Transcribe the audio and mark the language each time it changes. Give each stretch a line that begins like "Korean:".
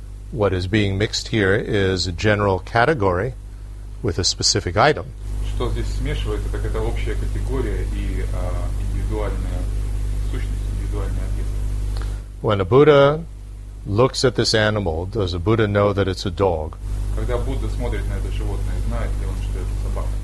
English: What is being mixed here is a general category with a specific item.
Russian: Что здесь смешивается, так это общая категория и индивидуальная сущность, индивидуальный объект.
English: When a Buddha looks at this animal, does a Buddha know that it's a dog?
Russian: Когда Будда смотрит на это животное, знает ли он, что это собака?